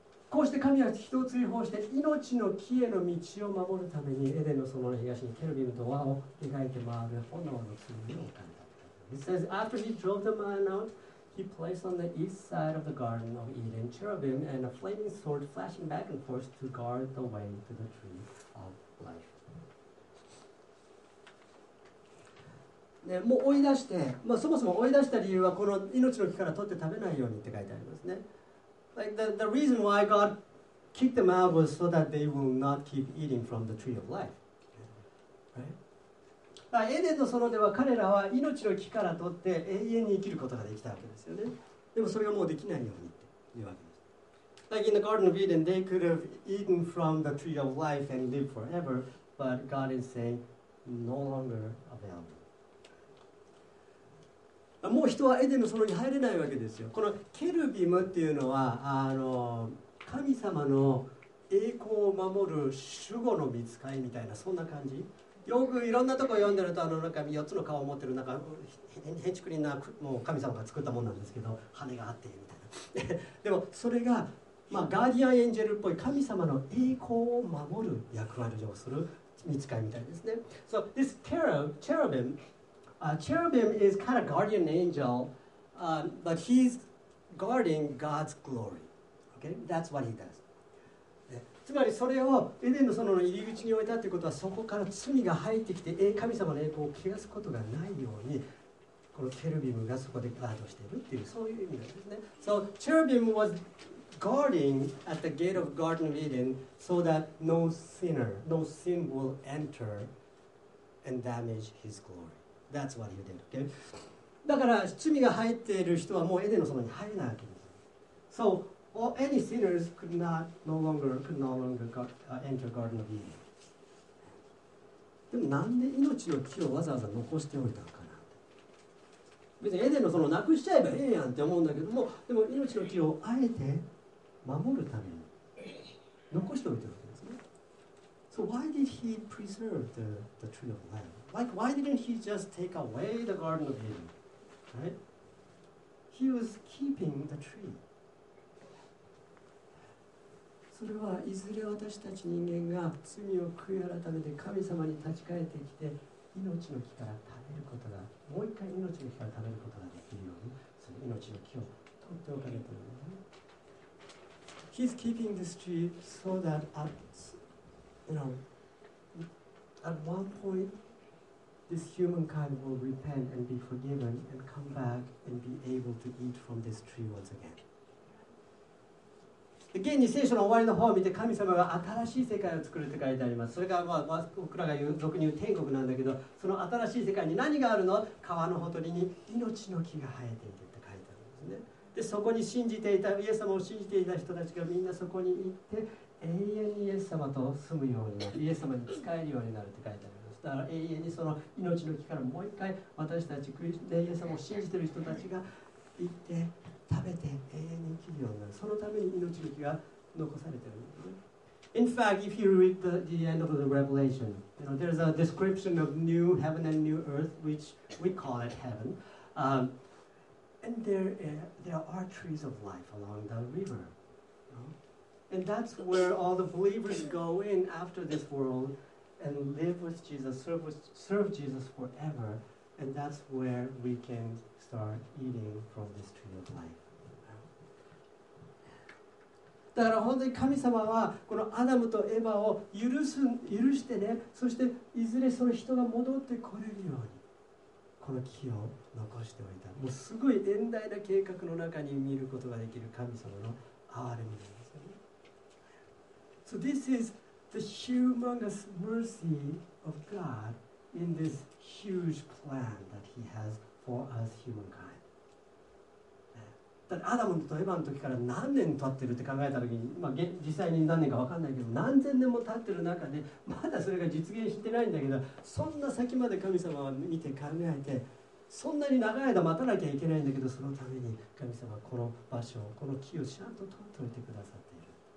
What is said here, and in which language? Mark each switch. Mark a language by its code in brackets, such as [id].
[ja] こうして神は人を追放して命の木への道を守るためにエデンの園の東にケルビムと輪を描いて回る炎の剣を置かれた。 [en] It says, after he drove the man out, he placed on the east side of the Garden of Eden cherubim and a flaming sword flashing back and forth to guard the way to the tree of life. [ja] ね、もう追い出して、まあ、そもそも追い出した理由はこの命の木から取って食べないようにって書いてありますね。 [en] Like the reason why God kicked them out was so that they will not keep eating from the tree of life. Right? [ja] エデンの園では彼らは命の木から取って永遠に生きることができたわけですよね。でもそれがもうできないようにというわけです。 [en] Like in the Garden of Eden, they could have eaten from the tree of life and live forever, but God is saying, no longer available. [ja] もう人はエデンの園に入れないわけですよ。このケルビムっていうのは、神様の栄光を守る守護の御使いみたいな、そんな感じ。よくいろんなとこ読んでると、あの中に4つの顔を持ってる、なんかへちくりんな、もう神様が作ったものなんですけど、羽があってみたいな。でもそれが、まあ、ガーディアンエンジェルっぽい神様の栄光を守る役割をする御使いみたいですね。 [en] So this cherubim, cherubim is kind of guardian angel, but he's guarding God's glory. Okay, that's what he does. [ja] つまりそれをエデンの園の入り口に置いたということは、そこから罪が入ってきて神様の栄光を汚すことがないように、このケルビムがそこでガードしているっていう、そういう意味なんですね。 [en] So cherubim was guarding at the gate of Garden of Eden so that no sinner, no sin will enter and damage his glory. That's what he did, okay? [ja] だから罪が入っている人はもうエデンの園に入れないわけです。 [en] SoAll any sinners could not no longer could no longer enter Garden of Eden. [ja] でもなんで命の木をわざわざ残しておいたのかな。別にエデンの園をなくしちゃえばええやんって思うんだけども、でも命の木をあえて守るために残しておいたわけですね。 [en] So why did he preserve the tree of life? Like why didn't he just take away the Garden of Eden? Right? He was keeping the tree. [ja] それはいずれ私たち人間が罪を悔い改めて神様に立ち返ってきて、命の木から食べることが、もう一回命の木から食べることができるように、その命の木を取っておかれているのね。 [en] He's keeping this tree so that at, you know, at one point this humankind will repent and be forgiven and come back and be able to eat from this tree once again. [ja] 現に聖書の終わりの方を見て神様が新しい世界を作るって書いてあります。それが、まあ、僕らが言う俗に言う天国なんだけど、その新しい世界に何があるの？川のほとりに命の木が生えているって書いてあるんですね。でそこに信じていたイエス様を信じていた人たちがみんなそこに行って永遠にイエス様と住むようになる、イエス様に仕えるようになるって書いてあります。だから永遠にその命の木からもう一回私たちクリスチャン、イエス様を信じている人たちが行って食べて永遠に生きるようになる。そのために命の木が残されているんですね。 [en] In fact, if you read the end of the Revelation, you know, there's a description of new heaven and new earth, which we call it heaven. And there are trees of life along the river. And that's where all the believers go in after this world and live with Jesus, serve Jesus forever. And that's where we can start eating from this tree of life. [ja] だから本当に神様はこのアダムとエヴァを許してね、そしていずれその人が戻ってこれるように。この木を残しておいた。もうすごい遠大な計画の中に見ることができる神様の憐れみなんですよね。 [en] So this is the humongous mercy of God in this huge plan that he has for us humankind. [ja] だからアダムとエヴァの時から何年経ってるって考えた時に、まあ、実際に何年か分かんないけど、何千年も経ってる中でまだそれが実現してないんだけど、そんな先まで神様は見て考えて、そんなに長い間待たなきゃいけないんだけど、そのために神様はこの場所、この木をちゃんと取っておいてくださっている。